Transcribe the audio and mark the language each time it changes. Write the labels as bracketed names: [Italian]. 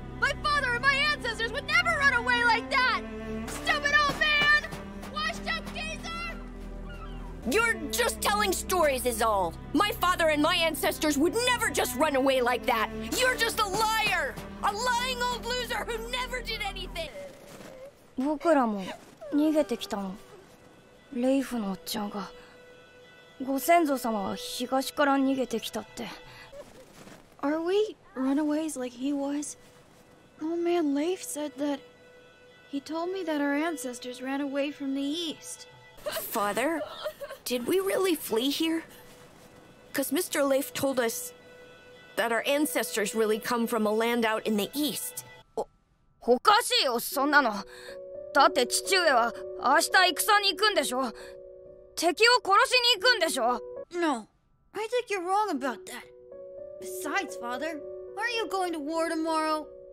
[English] My father and my ancestors would never run away like that! Stupid old man! Washed up geezer! You're just telling stories is all. My father and my ancestors would never just run away like that. You're just a liar! A lying old loser who never did anything! [Japanese] 僕らも逃げてきたの。レイフのおっちゃんが。ご先祖様は東から逃げてきたって。 [English] Are we runaways like he was? Old man Leif said that... He told me that our ancestors ran away from the east. Father, did we really flee here? Because Mr. Leif told us... that our ancestors really come from a land out in the east. [Japanese] おかしいよ、そんなの! だって父上は明日戦に行くんでしょ?敵を殺しに行くんでしょ? [English] No, I think you're wrong about that. Besides, father, aren't you going to war tomorrow?